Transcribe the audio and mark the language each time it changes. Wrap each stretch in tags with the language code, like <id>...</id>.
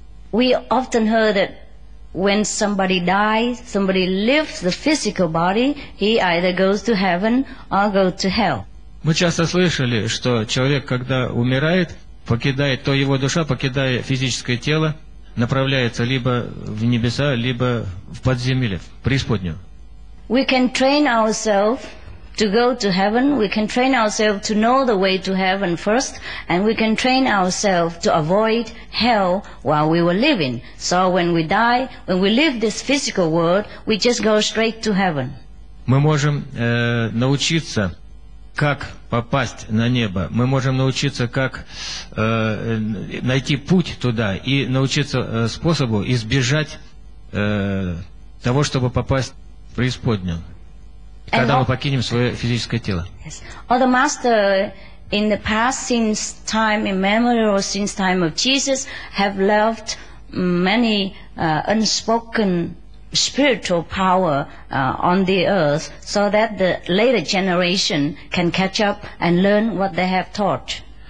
<en>We often heard that when somebody dies, somebody leaves the physical body, he either goes to heaven or goes to hell.</en> <ru>Мы часто слышали, что человек, когда умирает, покидает, то его душа, покидая физическое тело, направляется либо в небеса, либо в подземелье, в преисподнюю.</ru> <en>We can train ourselves to go to heaven, we can train ourselves to know the way to heaven first, and we can train ourselves to avoid hell while we were living. So when we die, when we leave this physical world, we just go straight to heaven.</en> <ru>Мы можем научиться, как попасть на небо. Мы можем научиться, как найти путь туда и научиться способу избежать того, чтобы попасть в преисподнюю, когда мы покинем свое физическое тело.</ru> <en>Yes. Or the Master in the past, since time immemorial, since time of Jesus, have left many unspoken spiritual power on the earth, so that the later generation can catch up and learn what they have taught.</en>